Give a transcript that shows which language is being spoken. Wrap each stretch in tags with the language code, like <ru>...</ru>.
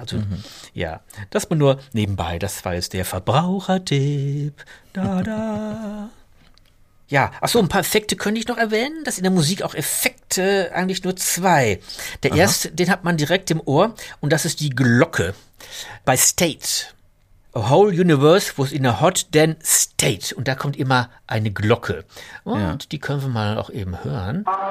<de>Also, ja, das war nur nebenbei. Das war jetzt der Verbrauchertipp. Da, da. Ja, ach so, ein paar Effekte könnte ich noch erwähnen. Das in der Musik auch Effekte, eigentlich nur zwei. Der erste, den hat man direkt im Ohr. Und das ist die Glocke bei State.</de> <en>A whole universe was in a hot damn state.</en> <de>Und da kommt immer eine Glocke. Und die können wir mal auch eben hören.</de>